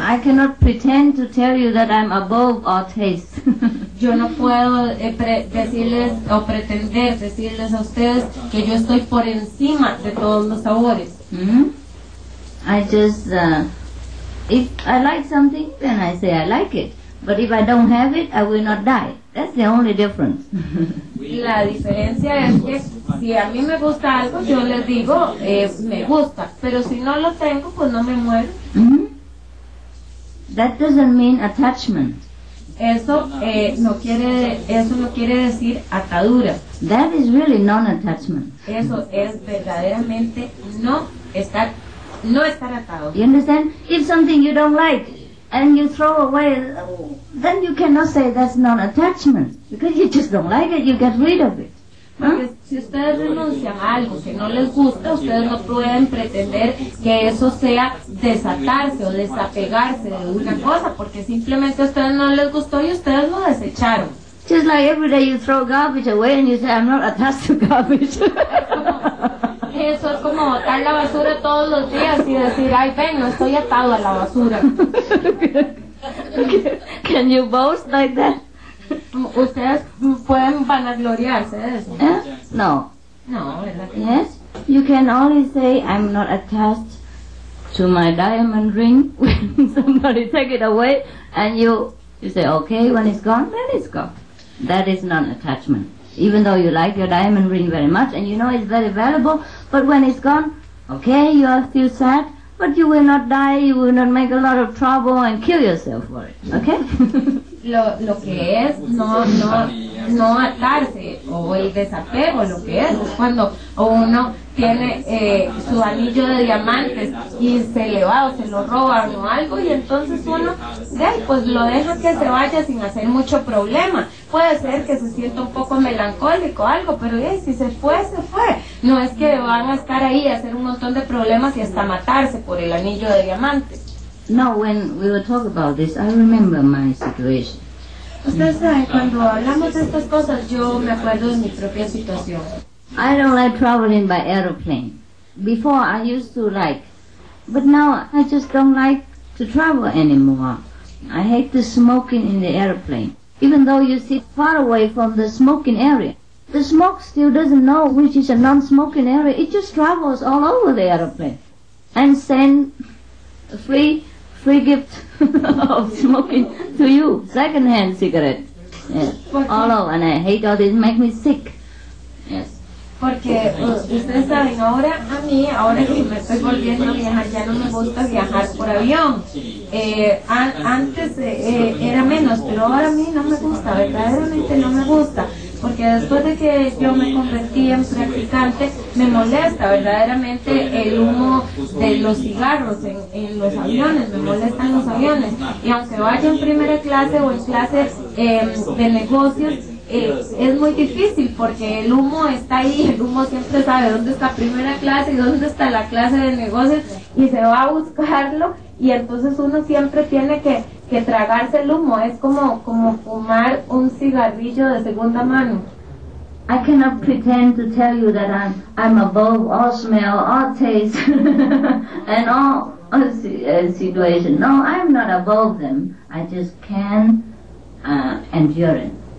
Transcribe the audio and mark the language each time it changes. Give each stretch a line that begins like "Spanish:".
English: I cannot pretend to tell you that I'm above all taste.
Spanish: Yo no puedo decirles o pretender decirles a ustedes que yo estoy por encima de todos los sabores.
English: Mm-hmm. I just, if I like something, then I say I like it. But if I don't have it, I will not die. That's the only difference.
Spanish: La diferencia es que si a mí me gusta algo, yo les digo, me gusta. Pero si no lo tengo, pues no me muero.
English: Mm-hmm. That doesn't mean attachment.
Spanish: Eso no quiere decir atadura.
English: That is really non-attachment.
Spanish: Eso es verdaderamente no estar atado.
English: You understand? If something you don't like and you throw away, then you cannot say that's non-attachment, because you just don't like it, you get rid of it.
Spanish: Porque si ustedes renuncian a algo que no les gusta, ustedes no pueden pretender que eso sea desatarse o desapegarse de una cosa, porque simplemente a ustedes no les gustó y ustedes lo desecharon.
English: Just like every day you throw garbage away and you say, I'm not attached to garbage.
Spanish: Eso es como botar la basura todos los días y decir, ay, ven, no estoy atado a la basura.
English: Can you boast like that?
Spanish: Ustedes pueden vanagloriarse de eso. ¿Eh? No. No, ¿verdad?
English: Yes. You can only say, I'm not attached to my diamond ring when somebody take it away, and you say, okay, when it's gone, then it's gone. That is non-attachment. Even though you like your diamond ring very much and you know it's very valuable, but when it's gone, okay, you are still sad, but you will not die, you will not make a lot of trouble and kill yourself for it, okay?
Spanish: lo que es no atarse o el desapego, lo que es cuando uno tiene su anillo de diamantes y se le va o se lo roban o algo, y entonces uno pues lo deja que se vaya sin hacer mucho problema. Puede ser que se sienta un poco melancólico o algo, pero si se fue, se fue. No es que van a estar ahí a hacer un montón de problemas y hasta matarse por el anillo de diamantes.
English: No, when we were talking about this, I remember my situation.
Spanish: Usted sabe, cuando hablamos de estas cosas, yo me acuerdo de mi propia situación.
English: I don't like traveling by aeroplane. Before I used to like, but now I just don't like to travel anymore. I hate the smoking in the aeroplane. Even though you sit far away from the smoking area, the smoke still doesn't know which is a non-smoking area. It just travels all over the aeroplane and send free gift of smoking to you, second-hand cigarette. Yes. All over, and I hate all this, make me sick. Yes.
Spanish: Porque ustedes saben, ahora que me estoy volviendo a viajar, ya no me gusta viajar por avión. Antes era menos, pero ahora a mí no me gusta, verdaderamente no me gusta. Porque después de que yo me convertí en practicante, me molesta verdaderamente el humo de los cigarros en los aviones, me molestan los aviones. Y aunque vaya en primera clase o en clase de negocios, es muy difícil porque el humo está ahí, el humo siempre sabe dónde está primera clase y dónde está la clase de negocios y se va a buscarlo, y entonces uno siempre tiene que tragarse el humo, es como fumar un cigarrillo de segunda mano.
English: I cannot pretend to tell you that I'm above all smell, all taste and all situation. No, I'm not above them, I just can endure it.